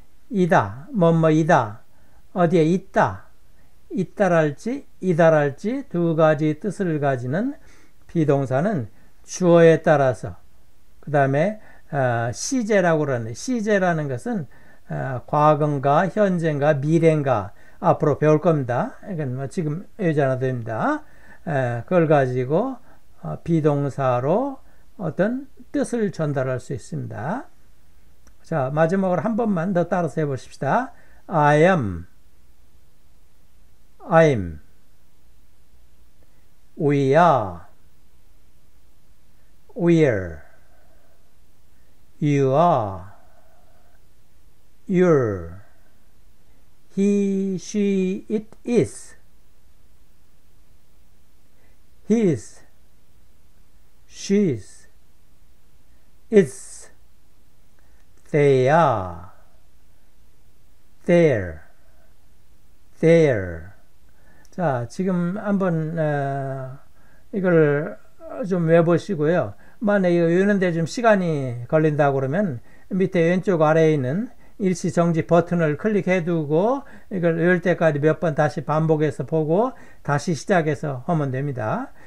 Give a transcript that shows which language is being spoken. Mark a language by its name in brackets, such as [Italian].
[Korean] 이다, 뭐뭐이다, 어디에 있다. 있다랄지 이다랄지 두 가지 뜻을 가지는 비동사는 주어에 따라서 그 다음에 시제라고 그러는데 시제라는 것은 과거인가 현재인가 미래인가 앞으로 배울 겁니다. 이건 뭐 지금 외우지 않아도 됩니다. 그걸 가지고 비동사로 어떤 뜻을 전달할 수 있습니다. 자, 마지막으로 한 번만 더 따라서 해보십시다. [English] I am I'm, we are, we're, you are, you're, he, she, it is, he's, she's, it's, they are, they're, they're. [Korean] 자, 지금 한번 이걸 좀 외보시고요. 만약에 외우는데 좀 시간이 걸린다 그러면 밑에 왼쪽 아래에 있는 일시 정지 버튼을 클릭해 두고 이걸 외울 때까지 몇번 다시 반복해서 보고 다시 시작해서 하면 됩니다.